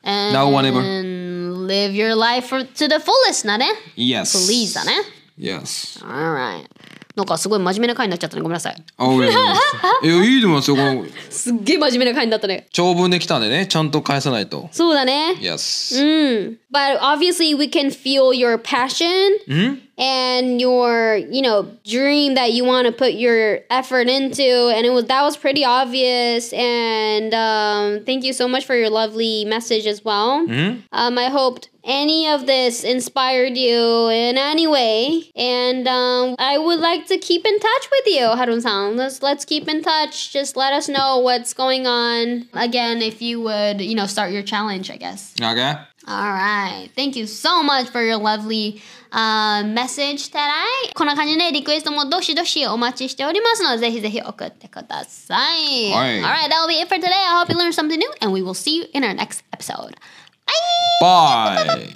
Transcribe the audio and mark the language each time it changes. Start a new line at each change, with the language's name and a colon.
English: Now or never. And live your life to the fullest なね。 Yes. Please だね。 Yes. All right.
Japanese: なんかすごい真面目な回になっちゃったね、ごめんなさい。あ、いやいいと思いますよ、このすっげえ真面目な回になったね。長文できたんでね、ちゃんと返さないと。そうだね。
English: Yes. But obviously we can feel your passion and your, you know, dream that you want to put your effort into, and it was, that was pretty obvious. And thank you so much for your lovely message as well. I hope any of this inspired you in any way. And I would like to keep in touch with you, Harun-san. Let's keep in touch. Just let us know what's going on. Again, if you would, you know, start your challenge, I guess. Okay. All right. Thank you so much for your lovely message today.
Japanese: こんな感じでリクエストもどしどしお待ちしておりますので、ぜひぜひ送ってください。
English: Right. All right. That'll be it for today. I hope you learned something new, and we will see you in our next episode. Bye!